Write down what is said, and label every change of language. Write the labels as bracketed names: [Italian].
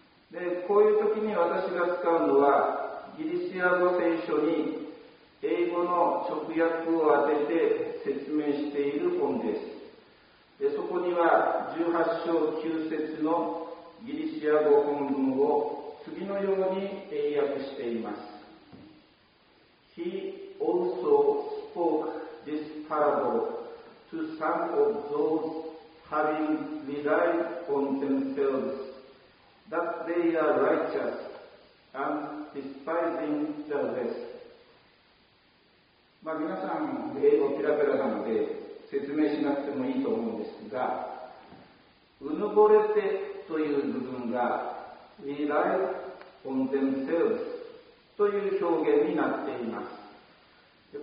[Japanese] でこういう時に私が使うのはギリシア語聖書に英語の直訳を当てて説明している本です。でそこには18章9節のギリシア語本文を次のように英訳しています。 [English] He also spokeThis parable to some of those having relied on themselves, that they are righteous and despising the rest. [Japanese] まあ皆さん英語ペラペラなので説明しなくてもいいと思うんですが、うぬぼれてという部分が [English] relied on themselves [Japanese] という表現になっています。